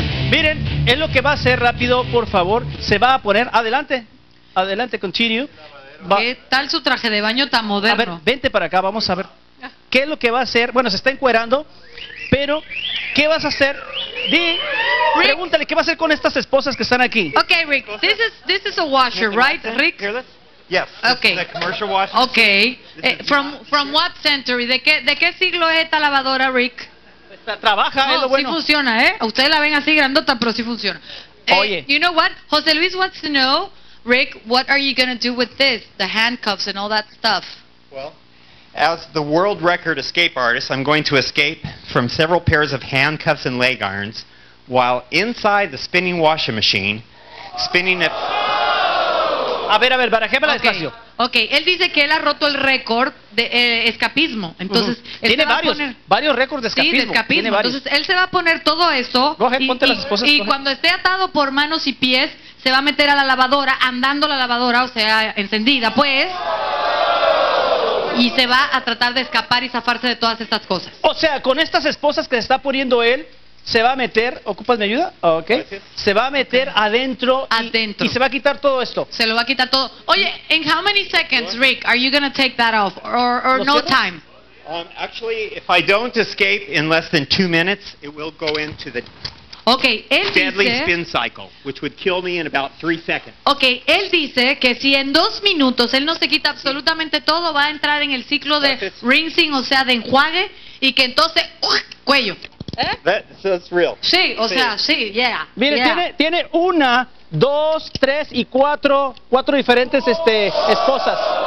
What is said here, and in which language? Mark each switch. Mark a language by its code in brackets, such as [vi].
[es] Miren, es lo que va a hacer rápido, por favor. Se va a poner. Adelante. Adelante, continue. ¿Qué tal su traje de baño tan moderno? A ver, vente para acá, vamos a ver. ¿Qué es lo que va a hacer? Bueno, se está encuerando, pero ¿qué vas a hacer? Pregúntale, ¿qué va a hacer con estas esposas que están aquí? [en] Okay, Rick, this is a washer, right, Rick? Yes, okay. This is a commercial washer. Okay, from what century? [es] ¿De qué siglo es esta lavadora, Rick? Trabaja, es lo bueno. Sí funciona, ¿eh? Ustedes la ven así grandota, pero sí funciona. Oye. [en] You know what? José Luis wants to know, Rick, what are you going to do with this? The handcuffs and all that stuff. Well, as the world record escape artist, I'm going to escape from several pairs of handcuffs and leg irons while inside the spinning washing machine, spinning it. [es] A ver, barajéme el espacio. Okay, él dice que él ha roto el récord de escapismo. Entonces, él tiene varios récords de escapismo. Sí, de escapismo. Tiene entonces, él se va a poner todo esto. Ponte las esposas. Y cuando esté atado por manos y pies, se va a meter a la lavadora, andando la lavadora, o sea, encendida, pues. Y se va a tratar de escapar y zafarse de todas estas cosas. O sea, con estas esposas que se está poniendo él, se va a meter, ¿ocupas mi ayuda? Okay. Gracias. Se va a meter adentro. Adentro. Y se va a quitar todo esto. Se lo va a quitar todo. [en] Oye, in how many seconds, Rick, are you going to take that off? Or no time? Actually, if I don't escape in less than 2 minutes, it will go into the deadly spin cycle, which would kill me in about 3 seconds. [es] Okay, él dice que si en 2 minutos él no se quita absolutamente todo, va a entrar en el ciclo de rinsing, o sea, de enjuague, y que entonces, cuello. [en] That's real. [es] Sí, o sea, sí, yeah. Mire, tiene una, dos, tres y cuatro diferentes esposas.